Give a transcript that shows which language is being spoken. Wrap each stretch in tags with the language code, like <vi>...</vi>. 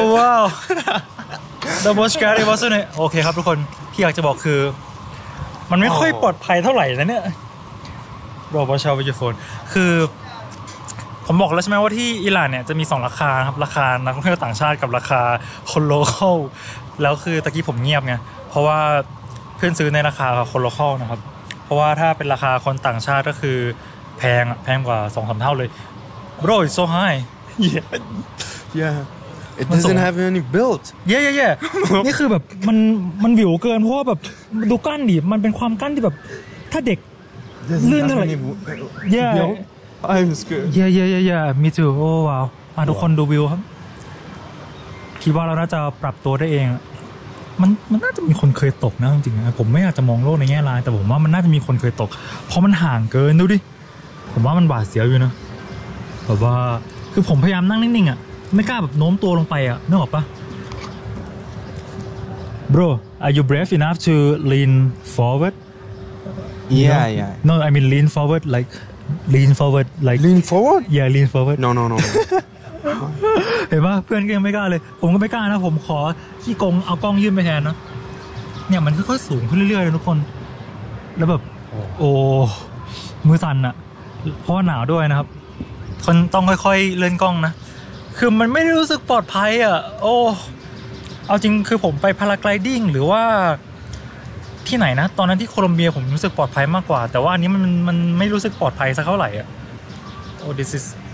<en>oh wow the most scary was it okay</en> <th>ครับทุกคนที่อยากจะบอกคือมันไม่ค่อยปลอดภัยเท่าไหร่นะเนี่ย bro ประชาชนคือผมบอกแล้วใช่ไหมว่าที่อิหร่านเนี่ยจะมี2ราคาครับราคานักท่องเที่ยวต่างชาติกับราคาคนโลคอลแล้วคือตะกี้ผมเงียบไงเพราะว่าเพื่อนซื้อในราคาคนโลคอลนะครับเพราะว่าถ้าเป็นราคาคนต่างชาติก็คือแพงกว่า 2-3 เท่าเลย</th> <en>Bro it's so high yeah it doesn't have any build</en> <th>yeah นี่คือแบบมันวิวเกินเพราะว่าแบบดูกั้นดิมันเป็นความกั้นที่แบบถ้าเด็กลื่นเท่าไหร่ yeah</th> <en>I'm scared. Yeah. Me too. Oh wow. Wow.</en> <th>ทุกคนดูวิวครับคิดว่าเราน่าจะปรับตัวได้เองมันน่าจะมีคนเคยตกนะจริงๆผมไม่อยากจะมองโลกในแง่ร้ายแต่ผมว่ามันน่าจะมีคนเคยตกเพราะมันห่างเกินดูดิผมว่ามันหวาดเสียวอยู่นะแบบว่าคือผมพยายามนั่งนิ่งๆอ่ะ ไม่กล้าแบบโน้มตัวลงไปอ่ะนึกออกปะ</th> <en>Bro are you brave enough to lean forward Yeah no? yeah No I mean lean forward like lean forward like lean forward Yeah lean forward No</en> <th>เห็นปะเพื่อนก็ยังไม่กล้าเลยผมก็ไม่กล้านะผมขอขี้กงเอากล้องยื่นไปแทนนะเนี่ยมันค่อยๆสูงขึ้นเรื่อยๆเลยทุกคนแล้วแบบโอ้มือสั่นอ่ะเพราะหนาวด้วยนะครับ คนต้องค่อยๆเลื่อนกล้องนะคือมันไม่ได้รู้สึกปลอดภัยอ่ะโอ้เอาจริงคือผมไปพาราไกลดิ้งหรือว่าที่ไหนนะตอนนั้นที่โคลอมเบียผมรู้สึกปลอดภัยมากกว่าแต่ว่าอันนี้มันไม่รู้สึกปลอดภัยสักเท่าไหร่อ่ะโอ้</th> <en>this is</en>